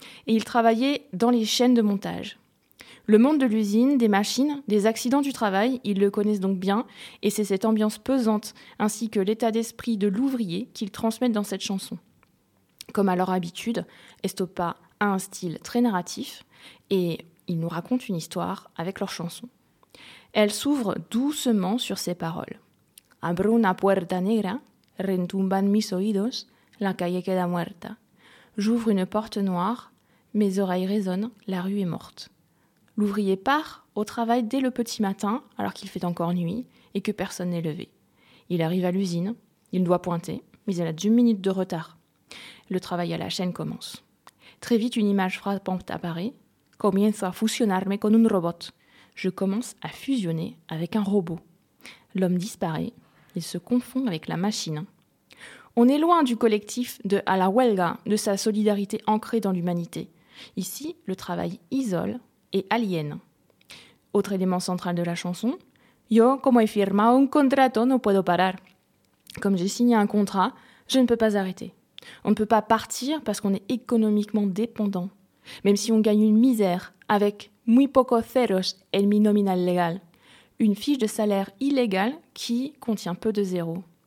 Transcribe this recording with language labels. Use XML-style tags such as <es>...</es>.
<fr>Et ils travaillaient dans les chaînes de montage. Le monde de l'usine, des machines, des accidents du travail, ils le connaissent donc bien, et c'est cette ambiance pesante ainsi que l'état d'esprit de l'ouvrier qu'ils transmettent dans cette chanson. Comme à leur habitude, Estopa a un style très narratif, et ils nous racontent une histoire avec leur chanson. Elle s'ouvre doucement sur ces paroles.</fr> <es>Abro una puerta negra, retumban mis oídos, la calle queda muerta.</es> <fr>J'ouvre une porte noire, mes oreilles résonnent, la rue est morte. L'ouvrier part au travail dès le petit matin, alors qu'il fait encore nuit et que personne n'est levé. Il arrive à l'usine, il doit pointer, mais il a 2 minutes de retard. Le travail à la chaîne commence. Très vite, une image frappante apparaît.</fr> <es>Comienzo a fusionarme con un robot.</es> <fr>Je commence à fusionner avec un robot. L'homme disparaît, il se confond avec la machine. On est loin du collectif de A la huelga, de sa solidarité ancrée dans l'humanité. Ici, le travail isole et aliène. Autre élément central de la chanson,</fr> <es>Yo, como he firmado un contrato, no puedo parar.</es> <fr>Comme j'ai signé un contrat, je ne peux pas arrêter. On ne peut pas partir parce qu'on est économiquement dépendant. Même si on gagne une misère avec</fr> <es>muy poco ceros en mi nominal legal,</es> <fr>une fiche de salaire illégale qui contient peu de zéros.</fr>